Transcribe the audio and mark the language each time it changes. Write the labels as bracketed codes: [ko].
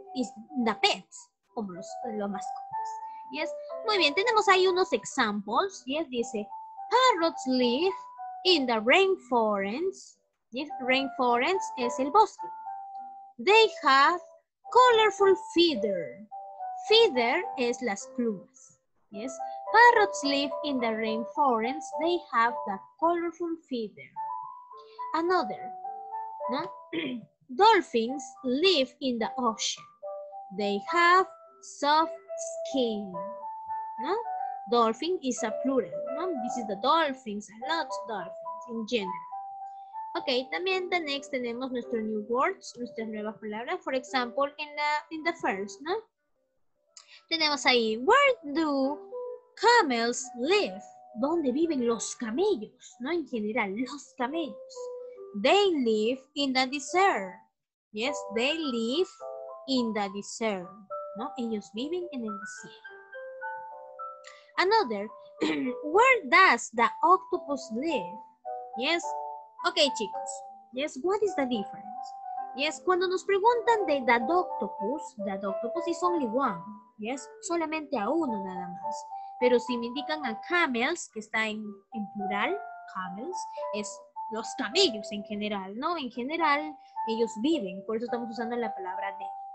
[en] Is the pet, [es] como los mascotas, [en] yes? [es] Muy bien, tenemos ahí unos examples, yes? [en] Dice, parrots live in the rainforest. Yes, rainforest [es] es el bosque. [en] They have colorful feather. Feather [es] es las plumas. [en] Yes, parrots live in the rainforest. They have the colorful feather. Another, ¿no? Dolphins live in the ocean. They have soft skin. ¿No? Dolphin is a plural. ¿No? This is the dolphins, a lot of dolphins in general. [es] Ok, también [en] the next [es] tenemos nuestro [en] new words, [es] nuestras nuevas palabras. [en] For example, in the first, ¿no? [es] Tenemos ahí, [en] where do camels live? [es] ¿Dónde viven los camellos? ¿No? En general, los camellos. [en] They live in the desert. Yes, they live in the desert. [es] ¿No? Ellos viven en el desierto. [en] Another, where does the octopus live? Yes. Ok, chicos. Yes, what is the difference? Yes, [es] cuando nos preguntan de [en] the octopus is only one. [es] Yes, solamente a uno nada más. Pero si me indican a camels, que está en plural, camels, es los camellos en general, ¿no? En general, ellos viven. Por eso estamos usando la palabra de.